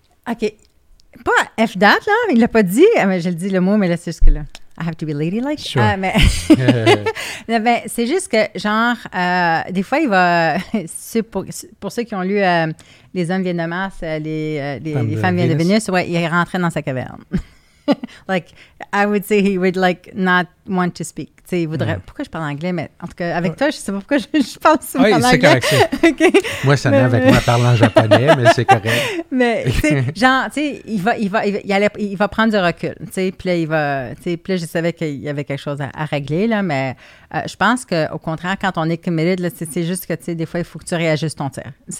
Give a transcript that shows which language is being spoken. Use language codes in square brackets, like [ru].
[fr] OK. Pas [en] F that, [fr] là, il l'a pas dit. Mais je le dis le mot, mais là, c'est juste que là. [en] I have to be ladylike. Sure. [fr] Mais c'est juste que, genre, des fois, il va. pour ceux qui ont lu Les hommes viennent de Mars, les femmes viennent de Vénus, ouais, il rentrait dans sa caverne. [en] Like, I would say he would, like, not want to speak. [fr] Tu sais, il voudrait... Ouais. Pourquoi je parle anglais? Mais en tout cas, avec toi, je sais pas pourquoi je parle souvent anglais. Oui, c'est correct, ça. Okay. Moi, ça n'est avec moi parlant japonais, mais c'est correct. Mais, tu sais, genre, tu sais, il va prendre du recul, tu sais, puis là, il va... Tu sais, puis là, je savais qu'il y avait quelque chose à régler, là, mais je pense qu'au contraire, quand on est committed, là, c'est juste que, tu sais, des fois, il faut que tu réajustes ton tir.